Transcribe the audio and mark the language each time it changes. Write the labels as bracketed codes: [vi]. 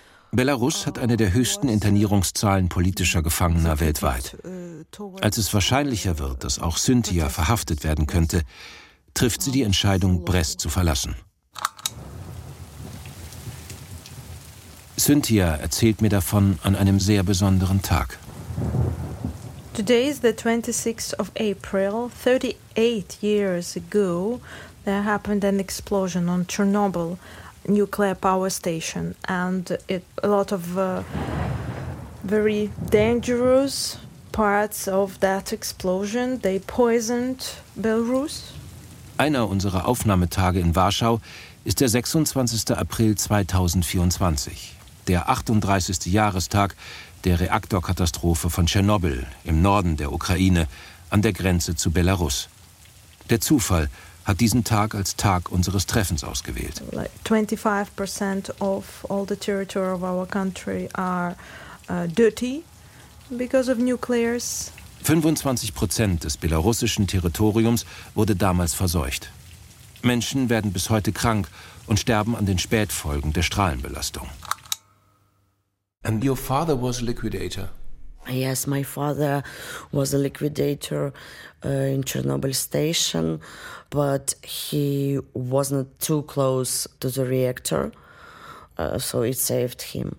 [de] Belarus hat eine der höchsten Internierungszahlen politischer Gefangener weltweit. Als es wahrscheinlicher wird, dass auch Cynthia verhaftet werden könnte, trifft sie die Entscheidung, Brest zu verlassen. Cynthia erzählt mir davon an einem sehr besonderen Tag. [en] Today is the 26th of April, 38 years ago, there happened an explosion on Chernobyl nuclear power station, and a lot of very dangerous parts of that explosion, they poisoned Belarus. [de] Einer unserer Aufnahmetage in Warschau ist der 26. April 2024, der 38. Jahrestag der Reaktorkatastrophe von Tschernobyl im Norden der Ukraine an der Grenze zu Belarus. Der Zufall hat diesen Tag als Tag unseres Treffens ausgewählt. [en] 25% of all the territory of our country are dirty because of nuclears. [de] 25% des belarussischen Territoriums wurde damals verseucht. Menschen werden bis heute krank und sterben an den Spätfolgen der Strahlenbelastung. [en] And your father was a liquidator. Yes, my father was a liquidator in Chernobyl station, but he wasn't too close to the reactor, so it saved him.